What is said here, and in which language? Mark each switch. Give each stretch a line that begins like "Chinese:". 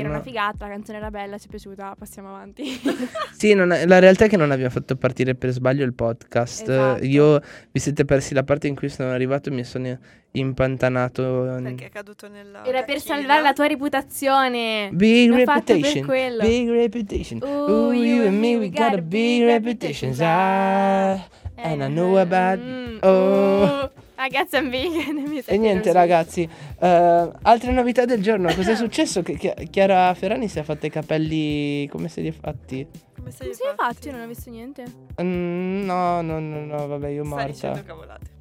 Italian: Era una figata, la canzone era bella, ci è piaciuta, passiamo avanti. Sì, non è, la realtà è che non abbiamo fatto partire per sbaglio il podcast. Esatto. Io, vi siete persi la parte in cui sono arrivato e mi sono impantanato. Perché è caduto nella era per salvare la tua reputazione.
English: Big
Italian: l'ho
English: reputation
Italian: fatto per quello.
English: Big reputation. Ooh, you and me, we got a big reputation. And I know about
Italian: ragazzi, e niente ragazzi, altre novità del giorno. Cos'è successo? Che Chiara Ferrani si è fatta i capelli, come se li è fatti? Come si è fatti? Non ho visto niente. No, vabbè, io morta. Sta dicendo cavolate.